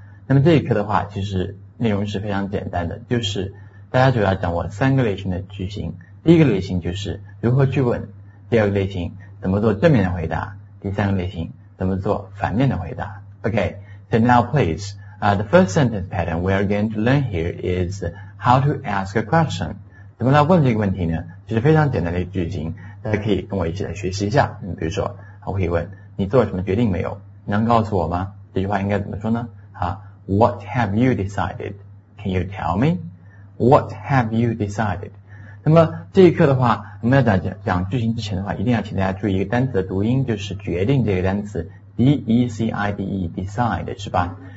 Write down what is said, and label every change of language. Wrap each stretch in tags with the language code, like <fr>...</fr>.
<zh>那么这一课的话其实内容是非常简单的，就是大家主要掌握三个类型的句型。第一个类型就是如何去问，第二个类型怎么做正面的回答，第三个类型怎么做反面的回答。</zh> <en>OK, so now please, the first sentence pattern we are going to learn here is how to ask a question.</en> <zh>怎么来问这个问题呢？其实非常简单的句型，大家可以跟我一起来学习一下。比如说我可以问，你做了什么决定没有？能告诉我吗？这句话应该怎么说呢？</zh> <en>What have you decided? Can you tell me? What have you decided?</en> <zh>那么这一课的话，我们要 讲句型之前的话，一定要请大家注意一个单词的读音，就是决定这个单词 D-E-C-I-D-E decide, 是吧？</zh>